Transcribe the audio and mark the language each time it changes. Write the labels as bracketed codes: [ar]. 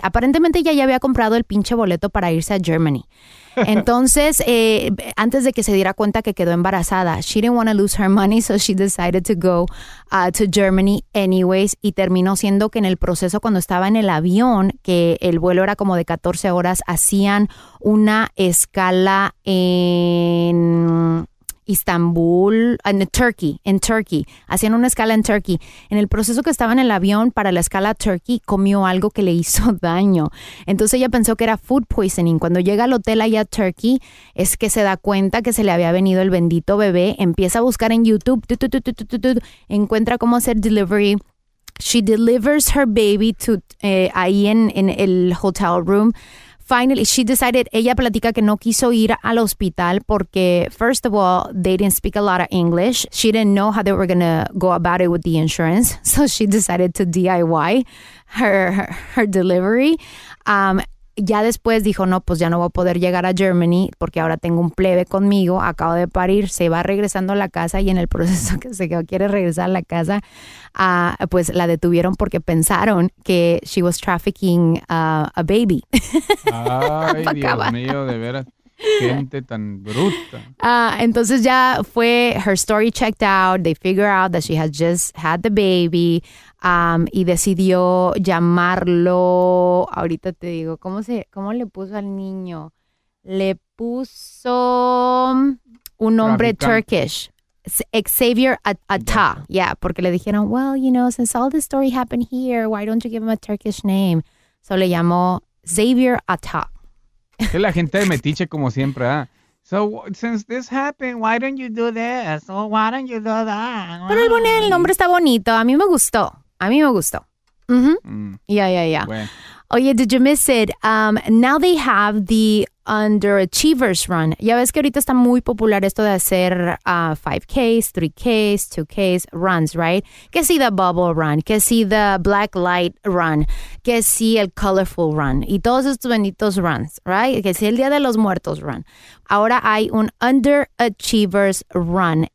[es] Aparentemente ella ya había comprado el pinche boleto para irse a Germany. Entonces, antes de que se diera cuenta que quedó embarazada, [en] she didn't want to lose her money, so she decided to go to Germany anyways. [es] Y terminó siendo que en el proceso, cuando estaba en el avión, que el vuelo era como de 14 horas, hacían una escala en Istanbul, en Turkey, hacían una escala en Turkey. En el proceso que estaba en el avión para la escala a Turkey, comió algo que le hizo daño. Entonces ella pensó que era food poisoning. Cuando llega al hotel allá a Turkey, es que se da cuenta que se le había venido el bendito bebé. Empieza a buscar en YouTube, encuentra cómo hacer delivery. [en] She delivers her baby to [es] ahí en el [en] hotel room. Finally, she decided, [es] ella platica que no quiso ir al hospital porque, [en] first of all, they didn't speak a lot of English. She didn't know how they were going to go about it with the insurance. So she decided to DIY her delivery. [es] Ya después dijo, no, pues ya no voy a poder llegar a Germany porque ahora tengo un plebe conmigo, acabo de parir. Se va regresando a la casa y en el proceso que se quiere regresar a la casa, pues la detuvieron porque pensaron que [en] she was trafficking a baby. [es] Ay, Dios mío, de veras. Gente tan bruta. Entonces ya fue [en] her story checked out. They figure out that she has just had the baby. [es] Y decidió llamarlo. Ahorita te digo, ¿cómo le puso al niño? Le puso un nombre Turkish. Xavier Atta. [en] Yeah, [es] porque le dijeron, [en] well, you know, since all this story happened here, why don't you give him a Turkish name? So [es] le llamó Xavier Atta. Es la gente de metiche como siempre, ¿ah? [en] So, since this happened, why don't you do this? Or why don't you do that? [es] Pero el nombre está bonito. A mí me gustó. Mm-hmm. [en] Yeah. [es] Bueno. Oye, [en] did you miss it? Now they have the Underachievers Run. [es] Ya ves que ahorita está muy popular esto de hacer 5Ks, 3Ks, 2Ks [en] runs, right? [es] Que si [en] the bubble run, [es] que si [en] the black light run, [es] que si el colorful run y todos estos benditos runs, [en] right? [es] Que si el Día de los Muertos run. Ahora hay un Underachievers Run.